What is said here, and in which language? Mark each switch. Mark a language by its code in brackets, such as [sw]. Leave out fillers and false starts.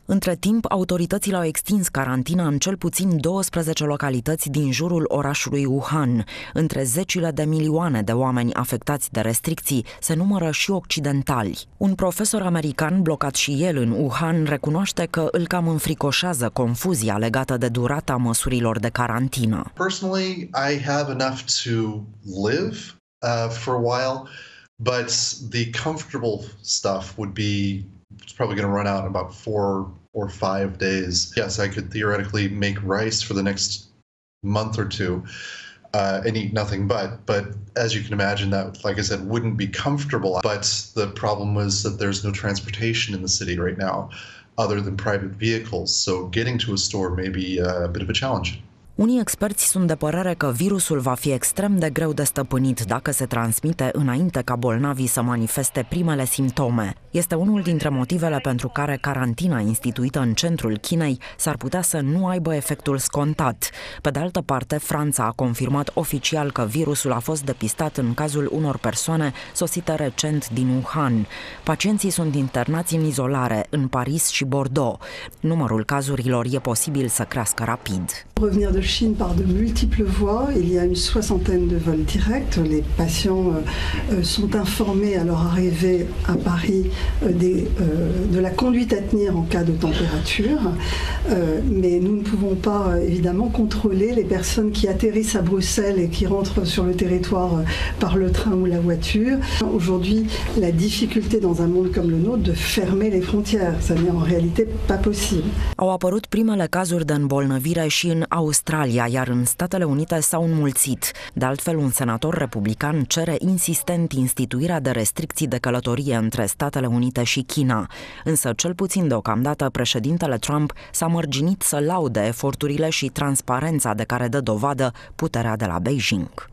[ro] Între timp, autoritățile au extins carantina în cel puțin 12 localități din jurul orașului Wuhan. Între zecile de milioane de oameni afectați de restricții se numără și occidentali. Un profesor american blocat și el în Wuhan recunoaște că îl cam înfricoșează confuzia legată de durata măsurilor de carantină. [en] Personally, I have enough to live for a while, but the comfortable stuff would be it's probably going to run out in about 4 or 5 days. Yes, I could theoretically make rice for the next month or two and eat nothing but as you can imagine that, like I said, wouldn't be comfortable. But the problem was that there's no transportation in the city right now other than private vehicles, so getting to a store may be a bit of a challenge. [ro] Unii experți sunt de părere că virusul va fi extrem de greu de stăpânit dacă se transmite înainte ca bolnavii să manifeste primele simptome. Este unul dintre motivele pentru care carantina instituită în centrul Chinei s-ar putea să nu aibă efectul scontat. Pe de altă parte, Franța a confirmat oficial că virusul a fost depistat în cazul unor persoane sosite recent din Wuhan. Pacienții sunt internați în izolare, în Paris și Bordeaux. Numărul cazurilor e posibil să crească rapid. [fr] De Chine par de multiples voies. Il y a une soixantaine de vols directs. Les patients sont informés à leur arrivée à Paris de la conduite à tenir en cas de température. Mais nous ne pouvons pas évidemment contrôler les personnes qui atterrissent à Bruxelles et qui rentrent sur le territoire par le train ou la voiture. Aujourd'hui, la difficulté dans un monde comme le nôtre de fermer les frontières, ça n'est en réalité pas possible. [ro] Au apărut primele cazuri de îmbolnăvire și în Australia, iar în Statele Unite s-au înmulțit. De altfel, un senator republican cere insistent instituirea de restricții de călătorie între Statele Unite și China. Însă, cel puțin deocamdată, președintele Trump s-a mărginit să laude eforturile și transparența de care dă dovadă puterea de la Beijing.